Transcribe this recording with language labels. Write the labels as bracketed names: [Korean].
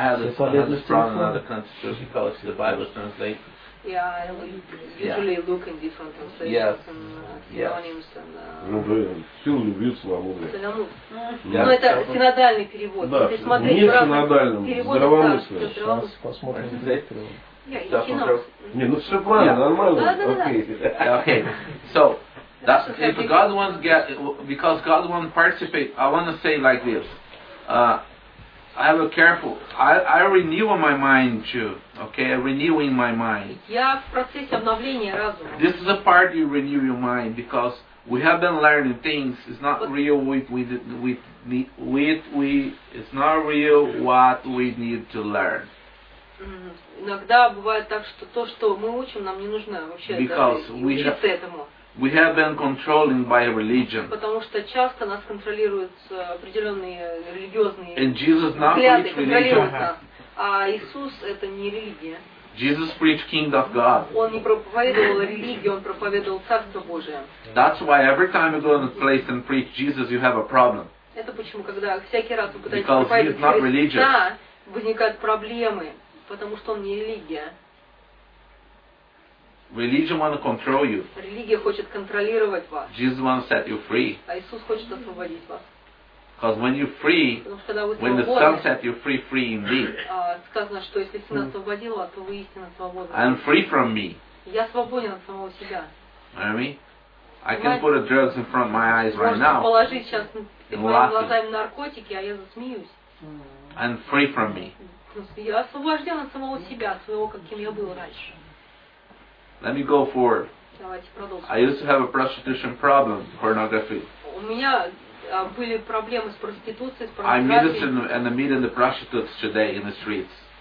[English] have this problem in other countries because the Bible is translated. Yeah, I usually look in different translations and synonyms. Yes. [Russian] And, ну, это синодальный перевод. Да, не синодальный, здравомыслящий. Сейчас посмотрим. Не, ну все правильно, нормально. [English] Okay. So, that's if God wants get, because God wants participate, I want to say like this. I have a careful. I renew my mind too. Okay, renewing my mind. [Russian] Я в процессе обновления разума. [English] This is a part you renew your mind because we have been learning things. It's not real it's not real what we need to learn. [Russian] Иногда бывает так, что то, что мы учим, нам не нужно вообще. [English] Because we have been controlling by religion. [Russian] Потому что часто нас контролируют определенные религиозные [English] and Jesus [Russian] взгляды, [English] not preach religion. [Russian] А Иисус это не религия. [English] Jesus preached King of God. [Russian] Он не проповедовал религию, он проповедовал Царство Божие. [English] That's why every time you go in a place and preach Jesus, you have a problem. [Russian] Это почему, когда всякий раз вы пытаетесь проповедовать Христа, возникают проблемы, потому что он не религия. [English] Religion wants to control you. [Russian] Религия хочет контролировать вас. [English] Jesus wants to set you free. [Russian] А Иисус хочет освободить вас. [English] Because when you're free, when the Son set you free, free indeed. [Russian] Сказано, что если Сын освободил вас, то вы истинно свободны. [English] I'm free from me. [Russian] Я свободен от самого себя. [English] Hear me? I can put a drug in front of my eyes right now. [Russian] Можно положить сейчас перед глазами наркотики, а я засмеюсь. [English] I'm free from me. [Russian] Я освобожден от самого себя, от своего, каким я был раньше. [English] Let me go forward. I used to have a prostitution problem, pornography. [Russian] У меня были проблемы с проституцией, с порнографией. [English] I'm meeting the prostitutes today in the streets.